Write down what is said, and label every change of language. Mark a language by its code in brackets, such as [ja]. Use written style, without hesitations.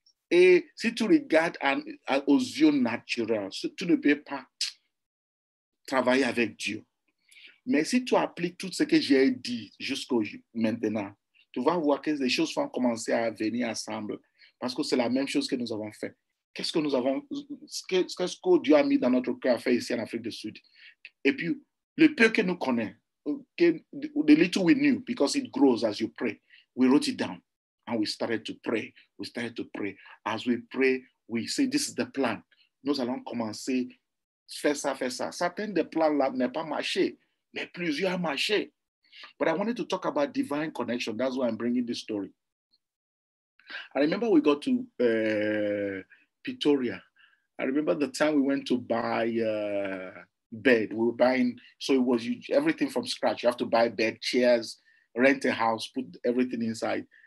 [fr] Et si tu regardes aux yeux naturels, tu ne peux pas travailler avec Dieu. Mais si tu appliques tout ce que j'ai dit jusqu'au maintenant, tu vas voir que les choses vont commencer à venir ensemble. Parce que c'est la même chose que nous avons fait. Qu'est-ce que nous avons, qu'est-ce que Dieu a mis dans notre cœur à faire ici en Afrique du Sud? Et puis, le peu que nous connaissons, [en] the little we knew, because it grows as you pray, we wrote it down. And we started to pray. We started to pray. As we pray, we say, this is the plan. [fr] Nous allons commencer, faire ça, faire ça. Certains des plans là n'ont pas marché, mais plusieurs ont marché. [en] But I wanted to talk about divine connection. That's why I'm bringing this story. I remember we got to Pretoria. I remember the time we went to buy a bed. We were buying, so it was everything from scratch. You have to buy bed, chairs, rent a house, put everything inside.